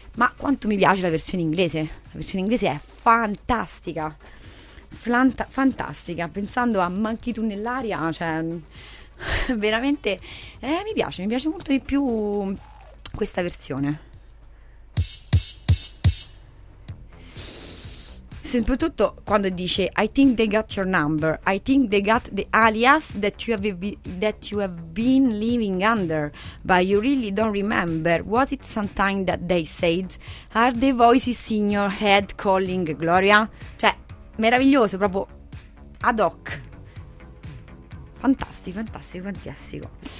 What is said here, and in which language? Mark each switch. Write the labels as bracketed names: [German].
[Italian] Ma quanto mi piace la versione inglese? La versione inglese è fantastica, fantastica. Pensando a Manchi tu nell'aria, cioè, veramente, mi piace molto di più questa versione. Soprattutto quando dice [English] I think they got your number, I think they got the alias that you have been living under, but you really don't remember. Was it sometime that they said, are the voices in your head calling Gloria? [Italian] Cioè, meraviglioso, proprio ad hoc. Fantastico, fantastico, fantastico.